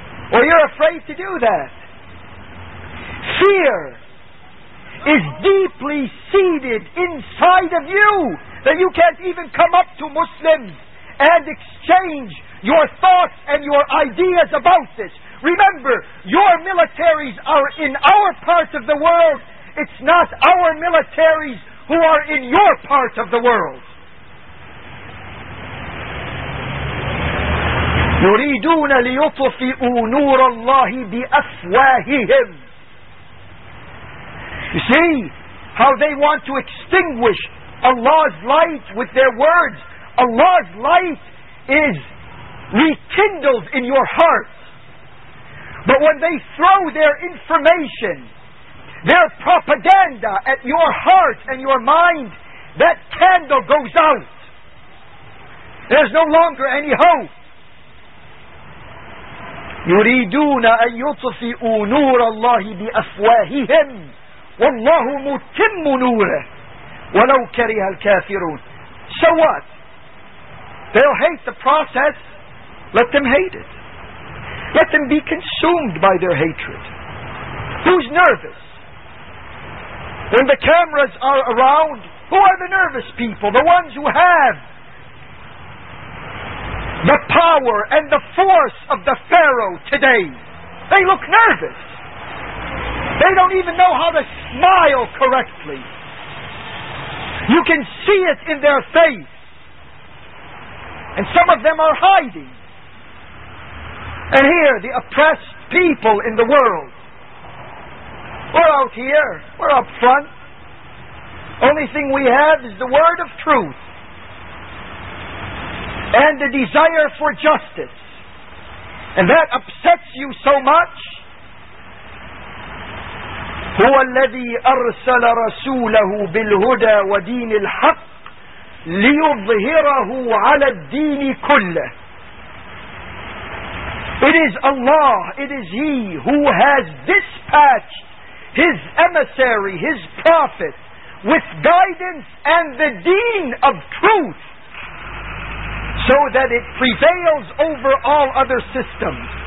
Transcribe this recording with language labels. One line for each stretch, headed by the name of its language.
English: Well, you're afraid to do that. Fear is deeply seated inside of you that you can't even come up to Muslims and exchange your thoughts and your ideas about this. Remember, your militaries are in our part of the world. It's not our militaries who are in your part of the world.
Arabic: يريدون ليطفئوا نور الله بأفواههم.
English: You see how they want to extinguish Allah's light with their words. Allah's light is rekindled in your heart. But when they throw their information, their propaganda at your heart and your mind, that candle goes out. There's no longer any hope.
Arabic: يريدون أن يطفئوا نور الله بأفواههم والله متم نوره ولو كره الكافرون.
English: So what? They'll hate the process. Let them hate it. Let them be consumed by their hatred. Who's nervous? When the cameras are around, who are the nervous people? The ones who have the power and the force of the Pharaoh today. They look nervous. They don't even know how to smile correctly. You can see it in their face. And some of them are hiding. And here, the oppressed people in the world. We're out here. We're up front. Only thing we have is the word of truth. And the desire for justice. And that upsets you so much.
Arabic: هو الذي أرسل رسوله بالهدى ودين الحق ليظهره على الدين كله.
English: It is Allah, it is He who has dispatched His emissary, His prophet, with guidance and the deen of truth, so that it prevails over all other systems.